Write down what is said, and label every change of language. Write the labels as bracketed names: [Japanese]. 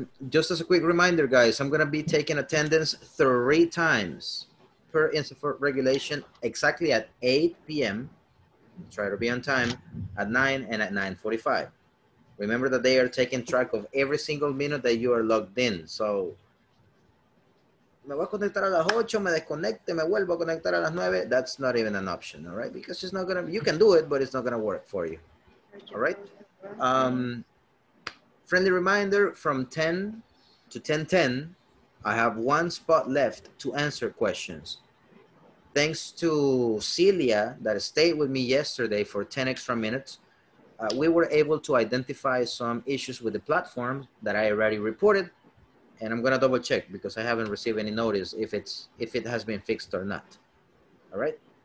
[English] Just as a quick reminder, guys, I'm going to be taking attendance 3 times per INSAFORT regulation, exactly at 8 p.m. Try to be on time at 9 and at 9:45. Remember that they are taking track of every single minute that you are logged in. [Spanish] So, me voy a conectar a las 8, me desconecte, me vuelvo a conectar a las 9. [English] That's not even an option, all right? Because it's not going to, you can do it, but it's not going to work for you, all right? Friendly reminder, from 10 to 10:10, I have 1 spot left to answer questions. Thanks to Celia that stayed with me yesterday for 10 extra minutes, we were able to identify some issues with the platform that I already reported, and I'm going to double check because I haven't received any notice if it has been fixed or not. All right.